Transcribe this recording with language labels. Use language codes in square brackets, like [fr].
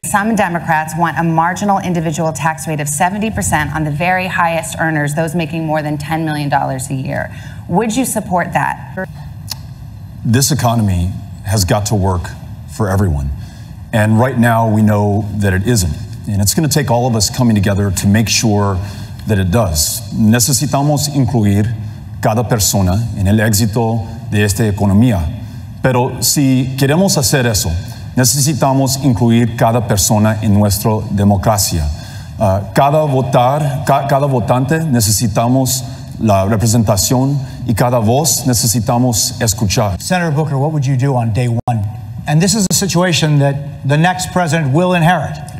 [en] Some Democrats want a marginal individual tax rate of 70% on the very highest earners, those making more than $10 million a year. Would you support that? This economy has got to work for everyone. And right now we know that it isn't. And it's going to take all of us coming together to make sure that it does. [es] Necesitamos incluir cada persona en el éxito de esta economía. Pero si queremos hacer eso, necesitamos incluir cada persona en nuestra democracia. Cada votante necesitamos la representación y cada voz necesitamos escuchar. [en] Senator Booker, what would you do on day one? And this is a situation that the next president will inherit.